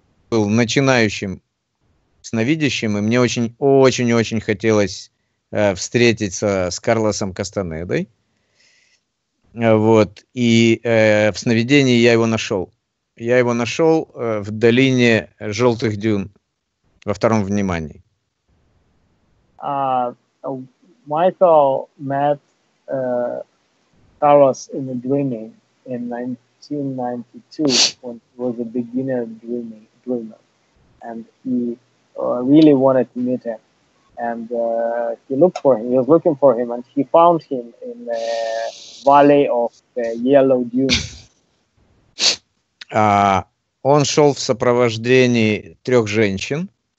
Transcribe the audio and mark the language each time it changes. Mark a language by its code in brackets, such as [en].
[ru] Был начинающим сновидящим, и мне очень-очень-очень хотелось встретиться с Карлосом Кастанедой. Вот, и в сновидении я его нашел. Я его нашел в долине Желтых Дюн во втором внимании. [en] Майкл Мэтт Carlos in a dreaming in 1992 when he was a beginner dreamer, and he really wanted to meet him, and he was looking for him and he found him in the valley of the yellow dune. [ru] Он шел в сопровождении трех женщин.